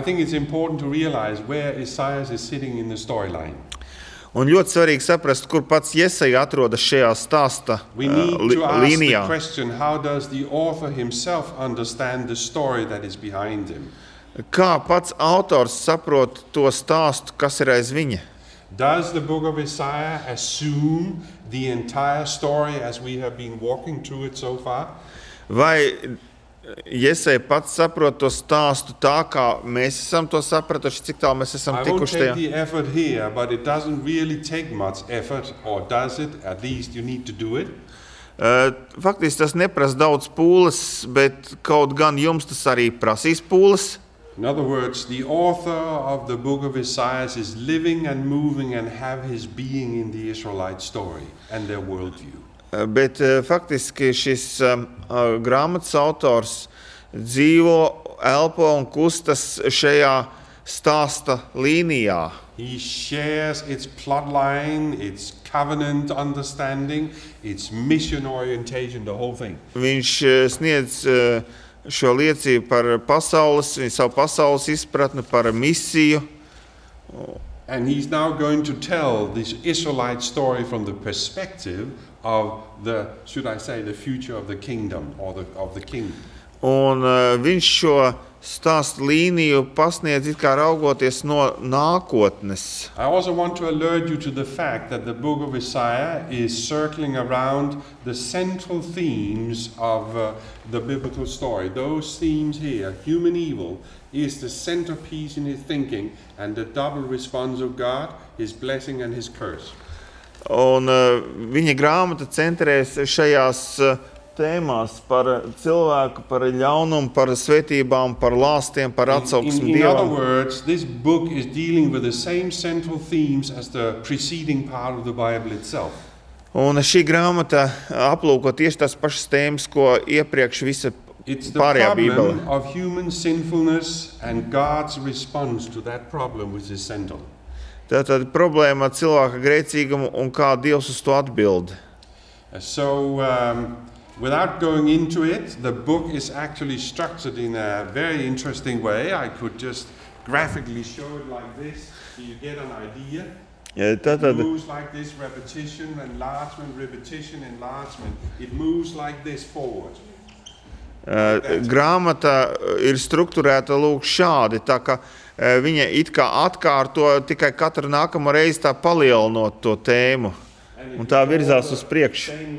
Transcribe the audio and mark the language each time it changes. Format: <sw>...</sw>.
<en>I think it's important to realize where Isaiah is sitting in the storyline.</en> <lv>Un ļoti svarīgi saprast, kur pats Jesaja atrodas šajā stāsta līnijā.</lv> <en>The question, how does the author himself understand the story that is behind him?</en> <lv>Kā pats autors saprot to stāstu, kas ir aiz viņa?</lv> <en>Does the book of Isaiah assume the entire story as we have been walking through it so far?</en> <lv>Vai Jesaja pats saprot to stāstu tā, kā mēs esam to sapratuši, cik tālu mēs esam tikuši tajā.</lv> <en>I won't take the effort here, but it doesn't really take much effort, or does it? At least you need to do it.</en> <lv>Faktiski tas neprasa daudz pūles, bet kaut gan jums tas arī prasīs pūles.</lv> <en>In other words, the author of the book of Isaiah is living and moving and have his being in the Israelite story and their worldview.</en> <lv>Bet faktiski šis grāmatas autors dzīvo, elpo un kustas šajā stāsta līnijā.</lv> <en>He shares its plot line, its covenant understanding, its mission orientation, the whole thing.</en> <lv>Viņš sniedz šo liecību par pasaules, savu pasaules izpratni, par misiju.</lv> <en>And he's now going to tell this Israelite story from the perspective of the, should I say, the future of the kingdom, or of the king.</en> <lv>Un viņš šo stāstu līniju pasniedz it kā raugoties no nākotnes.</lv> <en>I also want to alert you to the fact that the book of Isaiah is circling around the central themes of the biblical story. Those themes here, human evil, is the centerpiece in his thinking and the double response of God, his blessing and his curse.</en> <lv>Un viņa grāmata centrēs šajās tēmās par cilvēku, par ļaunumu, par svētībām, par lāstiem, par atsauksmi Dievam.</lv> <en>In other words, this book is dealing with the same central themes as the preceding part of the Bible itself.</en> <lv>Un šī grāmata aplūko tieši tās pašas tēmas, ko iepriekš visa pārējā Bībele.</lv> <en>It's the problem of human sinfulness and God's response to that problem which is central.</en> <lv>Tātad problēma ar cilvēka grēcīgumu un kā Dievs uz to atbild.</lv> <en>So, without going into it, the book is actually structured in a very interesting way. I could just graphically show it like this, so you get an idea.</en> <lv>Tātad</lv> <en>it moves like this, repetition, enlargement, repetition, enlargement. It moves like this forward.</en> <lv>Grāmata ir strukturēta lūk šādi, tā ka viņa it kā atkārto tikai katru nākamo reizi tā palielinot to tēmu un tā virzās uz priekšu.</lv>